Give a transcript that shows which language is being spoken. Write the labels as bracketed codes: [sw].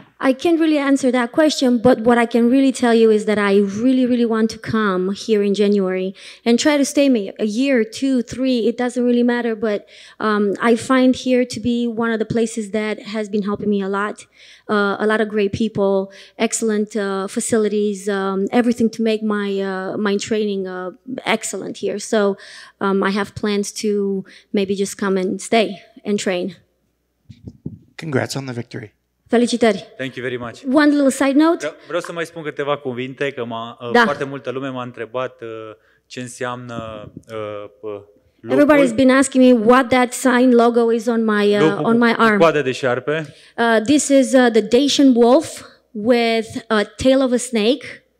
[en] I can't really answer that question, but what I can really tell you is that I really, really want to come here in January and try to stay maybe a year, two, three, it doesn't really matter, but I find here to be one of the places that has been helping me a lot. A lot of great people, excellent facilities, everything to make my training excellent here. So I have plans to maybe just come and stay and train. Congrats on the victory. [ro] Felicitări. [en] Thank you very much. One little side note. [ro] Vreau să mai spun câteva cuvinte, că da. Foarte multă lume m-a întrebat ce înseamnă logo. [en] Everybody's been asking me what that sign logo is on my on my arm. [ro] Coada de șarpe. [en] This is the Dacian wolf with a tail of a snake.